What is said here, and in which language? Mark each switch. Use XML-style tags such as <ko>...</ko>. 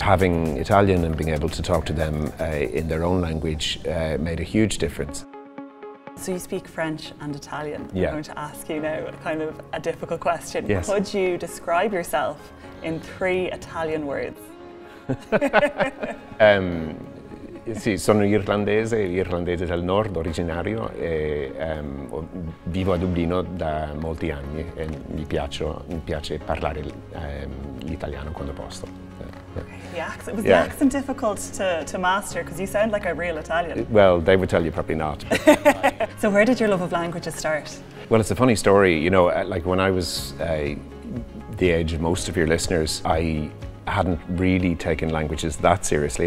<en>Having Italian and being able to talk to them in their own language made a huge difference. So you speak French and Italian. Yeah. I'm going to ask you now kind of a difficult question. Yes. Could you describe yourself in three Italian words?</en> <it>Sì, sono irlandese, irlandese del nord, originario, e vivo a Dublino da molti anni e mi piace parlare l'italiano quando posso.</it> <en>The accent difficult to master, because you sound like a real Italian. Well, they would tell you probably not. So where did your love of languages start? Well, it's a funny story, you know, like when I was the age of most of your listeners, I hadn't really taken languages that seriously.</en>